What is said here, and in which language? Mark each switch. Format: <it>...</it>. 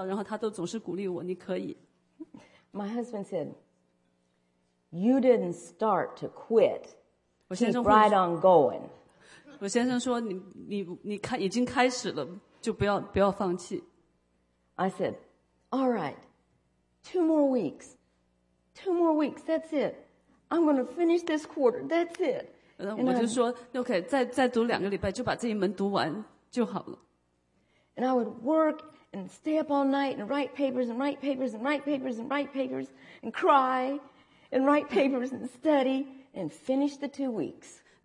<zh>因为对我来说，我觉得实在太难了。多少次我都给自己说，哎，我不行了，我得要，我要放弃了，我念不下去了。可是每次我的先生都对我说，你能做到的。然后我就说，我不能，我做不到。然后他都总是鼓励我，你可以。</zh> <en>My husband said, "You didn't start to quit."</en> <zh>我先生说,</zh> <en>"Keep right on going."</en> <zh>我先生说，你已经开始了，就不要放弃。</zh> <en>I said, "All right, two more weeks, two more weeks. That's it. I'm going to finish this quarter. That's it."</en> <zh>我就说 ，OK，再读两个礼拜，就把这一门读完就好了。</zh> <en>And I would work and stay up all night and write papers and write papers and write papers and write papers and cry and write papers and study and finish the 2 weeks.</en>